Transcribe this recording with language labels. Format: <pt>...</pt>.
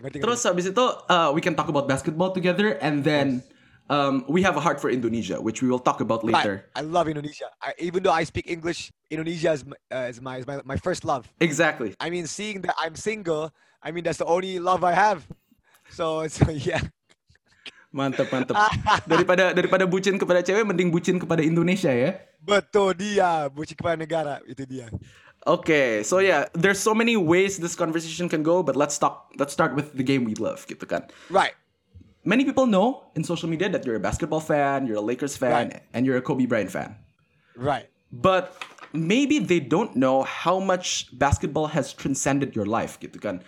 <id>Terus habis itu,</id> <en>we can talk about basketball together, and then we have a heart for Indonesia, which we will talk about later. I love Indonesia. Even though I speak English, Indonesia is my first love. Exactly. I mean, seeing that I'm single, I mean that's the only love I have. So yeah.</en> <id>Mantap. daripada bucin kepada cewek, mending bucin kepada Indonesia ya. Betul dia, bucin kepada negara, itu dia.</id> <en>Okay, so yeah, there's so many ways this conversation can go, but let's start with the game we love,</en> <id>gitu kan.</id> <en>Right. Many people know in social media that you're a basketball fan, you're a Lakers fan, and you're a Kobe Bryant fan. Right. But maybe they don't know how much basketball has transcended your life,</en> <id>gitu kan.</id>